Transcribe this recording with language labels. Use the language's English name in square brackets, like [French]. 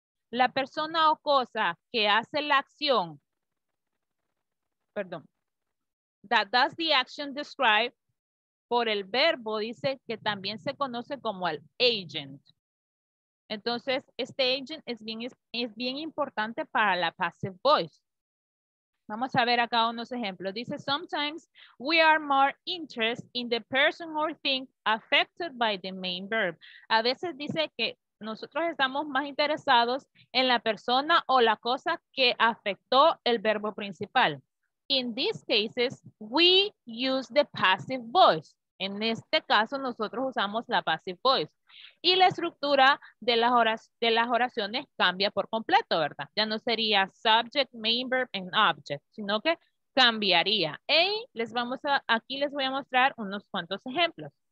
[Spanish] La persona o cosa que hace la acción, perdón, [English] that does the action described [Spanish] por el verbo, dice que también se conoce como el agent. Entonces, este agent es bien importante para la passive voice. Vamos a ver acá unos ejemplos. [English] Dice, sometimes we are more interested in the person or thing affected by the main verb. [Spanish] A veces dice que nosotros estamos más interesados en la persona o la cosa que afectó el verbo principal. [English] In these cases, we use the passive voice. [Spanish] En este caso, nosotros usamos la passive voice. Y la estructura de las oraciones cambia por completo, ¿verdad? Ya no sería subject, main verb, and object, sino que cambiaría. Y aquí les voy a mostrar unos cuantos ejemplos.